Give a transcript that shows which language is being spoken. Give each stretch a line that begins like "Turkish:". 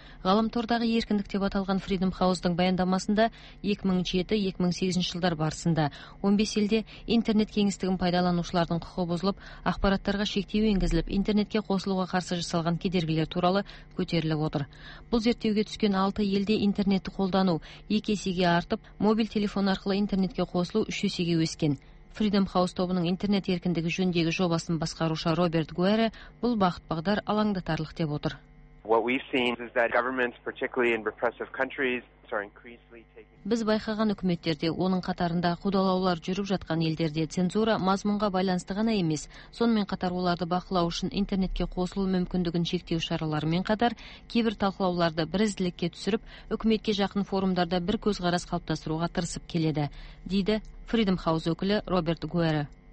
Kazakh: Ғаламтордағы еркіндік деп аталған Freedom House-ның баяндамасында 2007-2008 жылдар барысында 15 елде интернет кеңістігін пайдаланушылардың құқы бұзылып, ақпараттарға шектеу енгізіліп, интернетке қосылуға қарсы жасалған кедергілер туралы көтеріліп отыр. Бұл зерттеуге түскен 6 елде интернетті қолдану 2 есеге артып, мобиль телефон арқылы интернетке қосылу 3 есеге өскен. Freedom House тобының интернет еркіндігі жөніндегі жобасын басқарушы Роберт Гуэре бұл бағыт-бағдар алаңдатарлық деп отыр.
English: What we've seen is that governments, particularly in repressive countries, are increasingly taking.
Kazakh: Біз байқаған үкіметтерде, оның қатарында қудалаулар жүріп жатқан елдерде цензура мазмұнға байланысты ғана емес, сонымен қатар оларды бақылау үшін интернетке қосылу мүмкіндігін шектеу шараларымен қатар кейбір талқылауларды бірізділікке түсіріп, үкіметке жақын форумдарда бір көзқарас қалыптастыруға тырысып келеді, дейді Freedom House өкілі Роберт Гуэре.